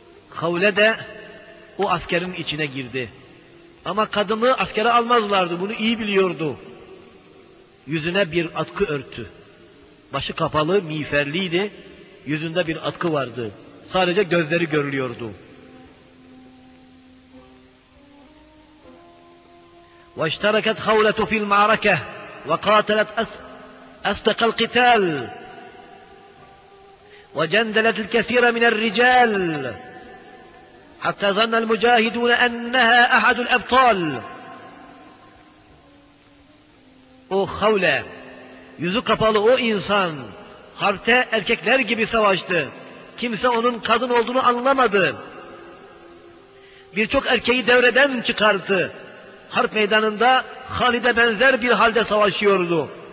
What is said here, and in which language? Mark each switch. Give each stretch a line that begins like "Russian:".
Turkish: Havle de o askerin içine girdi. Ama kadını askere almazlardı. Bunu iyi biliyordu. Yüzüne bir atkı örttü. Başı kapalı, miğferliydi. Yüzünde bir atkı vardı. Sadece gözleri görülüyordu.
Arabic: وَاِشْتَرَكَتْ خَوْلَةُ فِي الْمَعْرَكَةِ وَقَاتَلَتْ أَسْدَقَ الْقِتَالِ وَجَنْدَلَتْ الْكَثِيرَ مِنَ الرِّجَالِ حتى ظن المجاهدون أنها أحد الأبطال.
Turkish: O Havle, yüzü kapalı o insan, harpte erkekler gibi savaştı. Kimse onun kadın olduğunu anlamadı. Birçok erkeği devreden çıkarttı. harp meydanında Halid'e benzer bir halde savaşıyordu.